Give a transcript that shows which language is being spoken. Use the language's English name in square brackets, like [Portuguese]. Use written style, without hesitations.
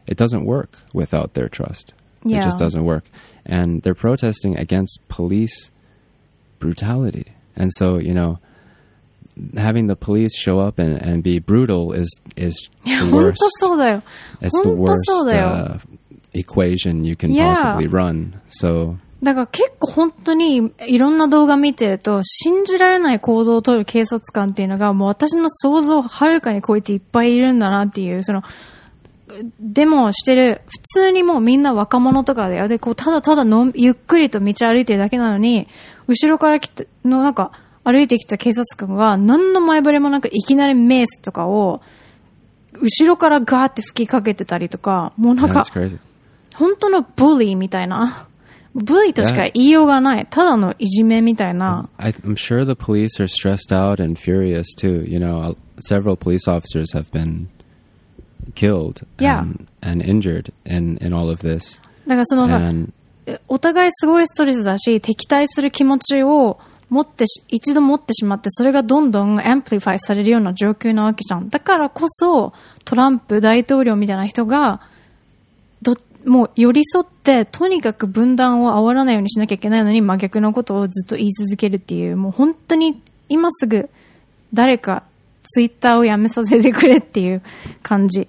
[English] It doesn't work without their trust. Yeah. It just doesn't work. And they're protesting against police brutality. And so, you know, having the police show up and be brutal is the worst. It's the worst equation you can possibly run. So [Japanese] だから結構本当にいろんな動画見てると信じられない行動を取る警察官っていうのがもう私の想像をはるかに超えていっぱいいるんだなっていう、そのデモをしてる普通にもうみんな若者とかでこうただただのゆっくりと道歩いてるだけなのに、後ろから来てのなんか歩いてきた警察官が何の前触れもなくいきなりメースとかを後ろからガーって吹きかけてたりとか、もうなんか本当のボリーみたいな、ブリとしか言いようがない、yeah. ただのいじめみたいな。 [English] I'm sure the police are stressed out and furious too. You know, several police officers have been killed and,、 yeah. and injured in all of this. [Japanese] だからそのさ、お互いすごいストレスだし、敵対する気持ちを持って一度持ってしまって、それがどんどんアンプリファイされるような状況なわけじゃん。だからこそトランプ大統領みたいな人がもう寄り添ってとにかく分断を煽らないようにしなきゃいけないのに、真逆のことをずっと言い続けるっていう、もう本当に今すぐ誰かツイッターをやめさせてくれっていう感じ。